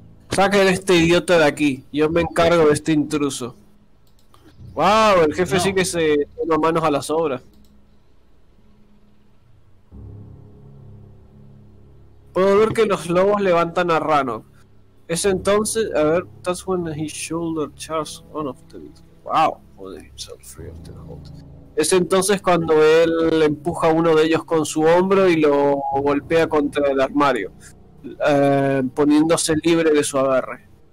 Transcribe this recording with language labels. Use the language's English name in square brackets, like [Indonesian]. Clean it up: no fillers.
[Spanish] Saquen a este idiota de aquí, yo me encargo de este intruso. ¡Wow! El jefe sí que No. se toma manos a las obras. Puedo ver que los lobos levantan a Rano. Es entonces. [English] A ver, that's when his shoulder charges one of the beasts. ¡Wow! Joder, himself free of the hold. [Spanish] Es entonces cuando él empuja a uno de ellos con su hombro y lo golpea contra el armario. Poniéndose libre de su agarre.